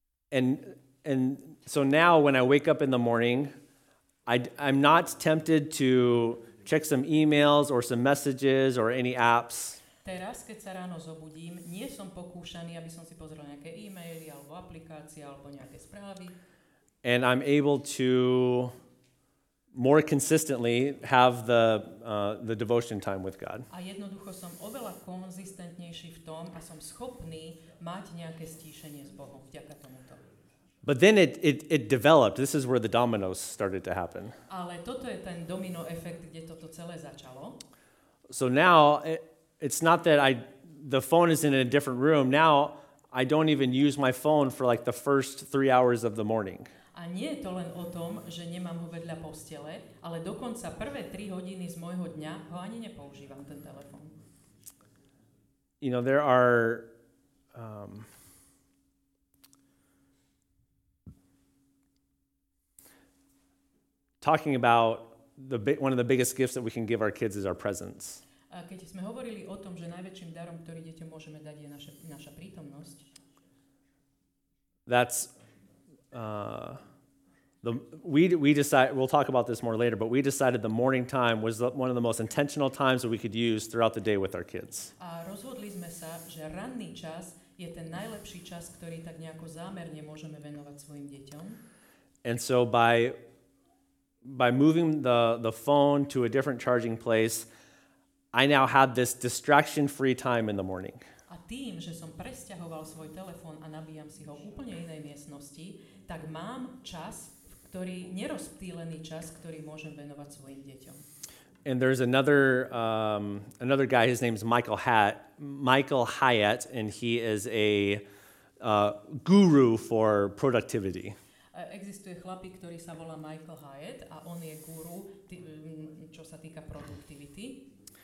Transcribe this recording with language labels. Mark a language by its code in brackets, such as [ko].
[en] And so now when I wake up in the morning, I'm not tempted to check some emails or some messages or any apps. [sk] Teraz, keď sa ráno zobudím, nie som pokúšaný, aby som si pozrel nejaké e-maily alebo aplikácie alebo nejaké správy. [en] And I'm able to more consistently have the devotion time with God. [sk] A jednoducho som oveľa konzistentnejší v tom a som schopný mať nejaké stíšenie s Bohom vďaka tomuto. [en] But then it developed. This is where the dominoes started to happen. [sk] Ale toto je ten domino efekt, kde toto celé začalo. [en] So now it's not that the phone is in a different room. Now I don't even use my phone for like the first 3 hours of the morning. [sk] A nie je to len o tom, že nemám ho vedľa postele, ale dokonca prvé 3 hodiny z môjho dňa ho ani nepoužívam, ten telefón. [en] You know, there are talking about one of the biggest gifts that we can give our kids is our presence. [sk] Keď sme hovorili o tom, že najväčším darom, ktorý deťom môžeme dať, je naša prítomnosť. [en] That's we'll talk about this more later, but we decided the morning time was one of the most intentional times that we could use throughout the day with our kids. [sk] A rozhodli sme sa, že ranný čas je ten najlepší čas, ktorý tak nejako zámerne môžeme venovať svojim deťom. [en] And so by moving the phone to a different charging place, I now had this distraction-free time in the morning. [sk] A tým, že som presťahoval svoj telefón a nabíjam si ho v úplne inej miestnosti, tak mám čas, ktorý nerozptýlený čas, ktorý môžem venovať svojim deťom. [en] And there's another guy, his name is Michael Hyatt, and he is a guru for productivity. [sk] Existuje chlapík, ktorý sa volá Michael Hyatt a on je guru, čo sa týka produktivity.